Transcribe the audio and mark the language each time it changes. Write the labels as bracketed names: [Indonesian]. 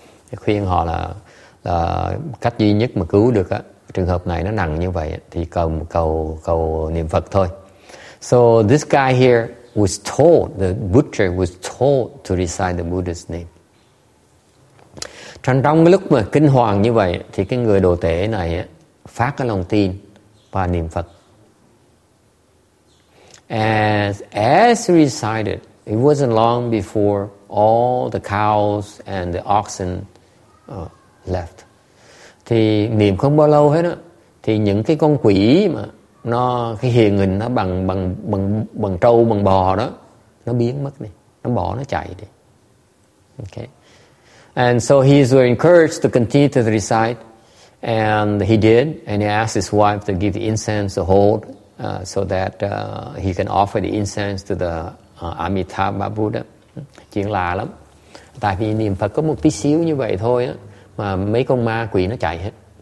[Vietnamese] Thì khuyên họ là cách duy nhất mà cứu được á trường hợp này nó nặng như vậy thì cầu niệm Phật thôi. [English] So this guy here was told, the butcher was told to recite the Buddha's name. [Vietnamese] Trong cái lúc mà kinh hoàng như vậy thì cái người đồ tể này phát cái lòng tin và niệm Phật. [English] As he recited, it wasn't long before all the cows and the oxen left. [Vietnamese] Thì niệm không bao lâu hết á, thì những cái con quỷ mà nó cái hiện hình nó bằng trâu bằng bò đó, nó biến mất đi, nó bỏ nó chạy đi. [English] Okay. And so he was encouraged to continue to recite, and he did. And he asked his wife to give the incense a hold, so that he can offer the incense to the Amitabha Buddha. [Vietnamese] Chuyện lạ lắm. Tại vì niệm Phật có một tí xíu như vậy thôi á, mà mấy con ma quỷ nó chạy hết.